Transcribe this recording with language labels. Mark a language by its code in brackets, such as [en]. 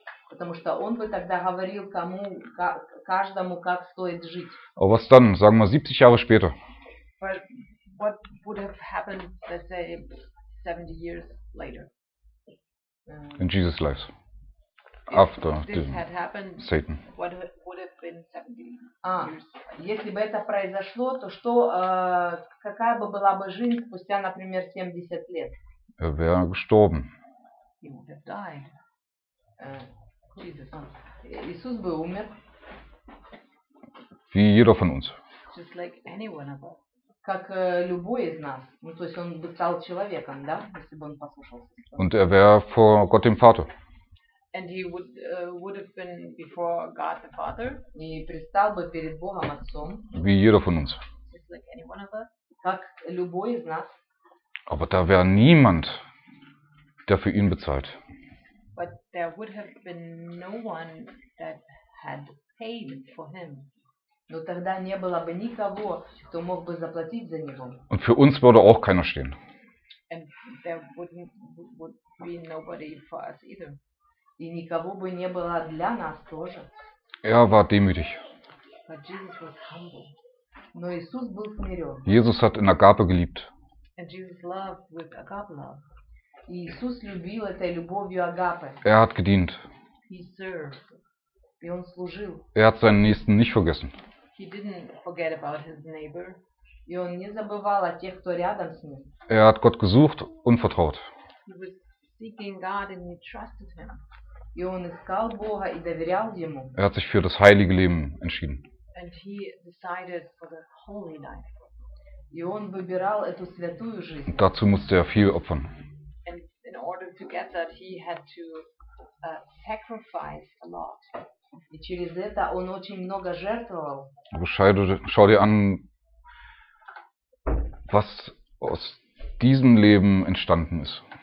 [ru] Потому что он бы тогда говорил кому, каждому, как стоит жить. [de] Oh, was dann? Sagen wir 70 Jahre später. [en] But what would have happened, let's say, 70 years later? In Jesus' life. After this had happened, Satan. What would have been 70 years? [ru] Если бы это произошло, то что, какая бы была бы жизнь спустя, например, 70 лет? [de] Er wäre gestorben. [en] He would have died. [ru] Иисус бы умер. [de] Wie jeder von uns. [en] Just like any one of us. [ru] Как любой из нас. Ну, то есть он бы стал человеком, да, если бы он послушался. [de] Und er wäre vor Gott dem Vater. [en] And he would have been before God the Father. [ru] И предстал бы перед Богом Отцом. [de] Wie jeder von uns. [en] Just like any one of us. [ru] Как любой из нас. [de] Aber da wäre niemand, der für ihn bezahlt. [en] But there would have been no one that had paid for him. [ru] Но тогда не было бы никого, кто мог бы заплатить за него. [de] Und für uns würde auch keiner stehen. [en] And there would be nobody for us either. [ru] И никого бы не было для нас тоже. [de] Er war demütig. [en] But Jesus was humble. [ru] Но Иисус был смирен. [de] Jesus hat in Agape geliebt. [en] And Jesus loved with agape love. [ru] И Иисус любил этой любовью агапы. [de] Er hat gedient. [en] He served. [ru] И он служил. [de] Er hat seinen Nächsten nicht vergessen. [en] He didn't forget about his neighbor. [ru] И он не забывал о тех, кто рядом с ним. [de] Er hat Gott gesucht und vertraut. [en] He was seeking God and he trusted him. [ru] И он искал Бога и доверял ему. [de] Er hat sich für das heilige Leben entschieden. [en] And he decided for the holy life. [ru] И он выбирал эту святую жизнь. [de] Und dazu musste er viel opfern. [en] And in order to get that, he had to sacrifice a lot. [ru] И через это он очень много жертвовал. [de] Schau dir an, was aus diesem Leben entstanden ist.